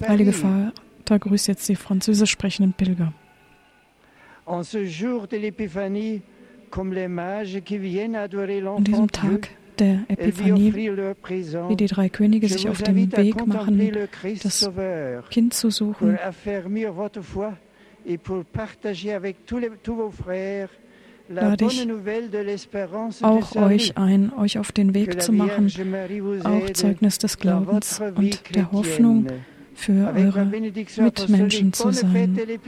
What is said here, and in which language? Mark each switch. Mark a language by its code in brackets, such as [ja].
[de] Heilige Vater, grüße jetzt die französisch sprechenden Pilger. [fr] En ce jour de l'Épiphanie, comme les mages qui viennent adorer l'enfant, [de] an diesem Tag der Epiphanie, wie die drei Könige sich auf dem Weg machen, das Kind zu suchen, [fr] pour affermir votre foi et pour partager avec tous vos frères la bonne nouvelle de l'espérance, [de] auch euch ein, euch auf den Weg zu machen, auch Zeugnis des Glaubens und der Hoffnung für eure Mitmenschen zu sein.